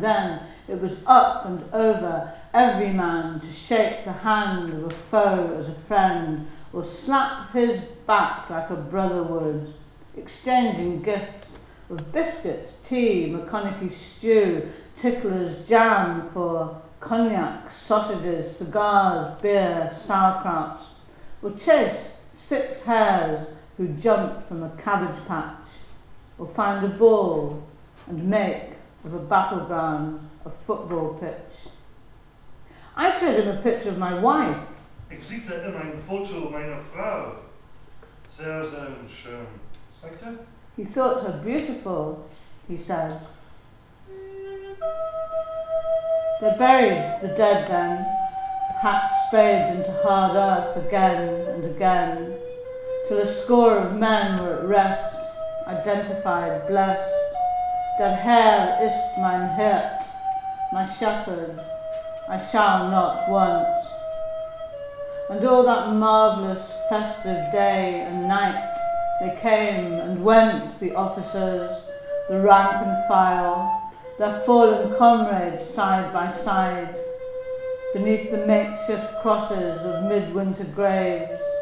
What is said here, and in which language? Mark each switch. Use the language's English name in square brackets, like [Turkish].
[English] Then it was up and over, every man to shake the hand of a foe as a friend, or slap his back like a brother would, exchanging gifts of biscuits, tea, McConaughey stew, tickler's jam for cognac, sausages, cigars, beer, sauerkraut, or chase six hares who jumped from a cabbage patch, or find a ball and make of a battleground a football pitch. I showed him a picture of my wife. [German] Ich sehe in ein Foto meiner Frau. Sehr, sehr schön. Sagte? [English] He thought her beautiful, he said. They buried the dead then, hacked spades into hard earth again and again, till a score of men were at rest, identified, blessed. [German] Der Herr ist mein Hirt, [English] my shepherd, I shall not want. And all that marvellous festive day and night, they came and went, the officers, the rank and file, their fallen comrades side by side, beneath the makeshift crosses of midwinter graves,